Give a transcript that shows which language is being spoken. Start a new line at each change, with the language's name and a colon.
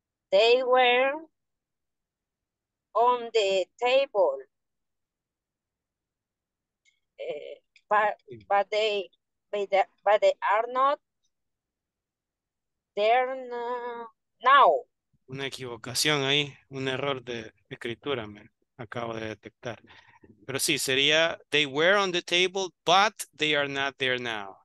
English: They were on the table, but they are not there now.
Spanish: Una equivocación ahí, un error de escritura me acabo de detectar. Pero sí, sería,
English: they were on the table, but they are not there now.